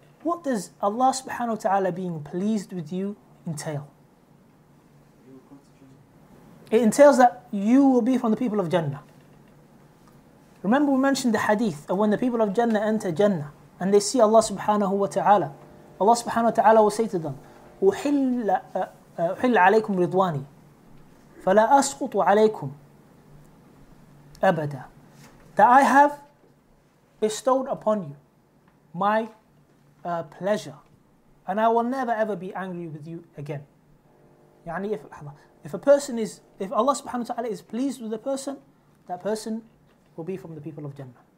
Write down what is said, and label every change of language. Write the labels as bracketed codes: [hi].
[en] What does Allah subhanahu wa ta'ala being pleased with you entail? It entails that you will be from the people of Jannah. Remember we mentioned the hadith of when the people of Jannah enter Jannah and they see Allah subhanahu wa ta'ala. Allah subhanahu wa ta'ala will say to them, [ar] أحل عليكم رضواني فلا أسقط عليكم أبدا. [en] That I have bestowed upon you my pleasure and I will never ever be angry with you again. يعني if Allah subhanahu wa ta'ala is pleased with a person, that person will be from the people of Jannah.